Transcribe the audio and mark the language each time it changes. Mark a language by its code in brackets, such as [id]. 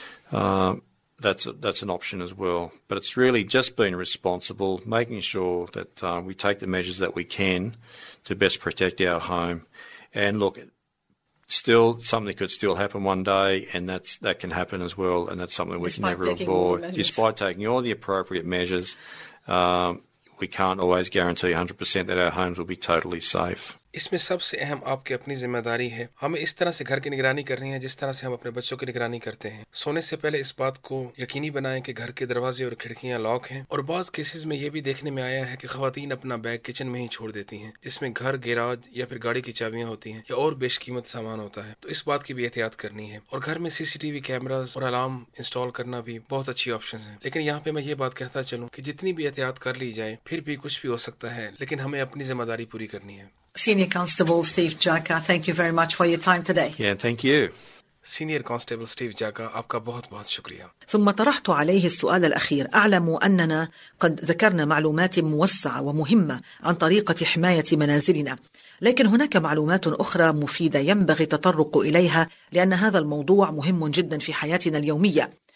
[en] That's an option as well. But it's really just being responsible, making sure that we take the measures that we can to best protect our home. And look, still, something could still happen one day, and that can happen as well, and that's something we despite can never avoid. Despite taking all the appropriate measures, we can't always guarantee 100% that our homes will be totally safe. [ur] اس میں سب سے اہم آپ کی اپنی ذمہ داری ہے. ہمیں اس طرح سے گھر کی نگرانی کرنی ہے جس طرح سے ہم اپنے بچوں کی نگرانی کرتے ہیں. سونے سے پہلے اس بات کو یقینی بنائیں کہ گھر کے دروازے اور کھڑکیاں لاک ہیں. اور بعض کیسز میں یہ بھی دیکھنے میں آیا ہے کہ خواتین اپنا بیگ کچن میں ہی چھوڑ دیتی ہیں، جس میں گھر، گیراج یا پھر گاڑی کی چابیاں ہوتی ہیں یا اور بیش قیمت سامان ہوتا ہے، تو اس بات کی بھی احتیاط کرنی ہے. اور گھر میں سی سی ٹی وی کیمراز اور الارم انسٹال کرنا بھی بہت اچھی آپشن ہے. لیکن یہاں پہ میں یہ بات کہتا چلوں کہ جتنی بھی احتیاط کر لی جائے، پھر بھی کچھ بھی ہو سکتا ہے، لیکن ہمیں اپنی ذمہ داری پوری کرنی ہے. [en] Senior Constable Steve Jaka, thank you very much for your time today. Yeah, thank you. [ur] Senior كونستيبل ستيف جاكا آپكا بہت بہت شکریہ. [ar] ثم طرحت عليه السؤال الأخير. أعلم أننا قد ذكرنا معلومات موسعة ومهمة عن طريقة حماية منازلنا، لكن هناك معلومات أخرى مفيدة ينبغي التطرق إليها، لأن هذا الموضوع مهم جدا في حياتنا اليومية.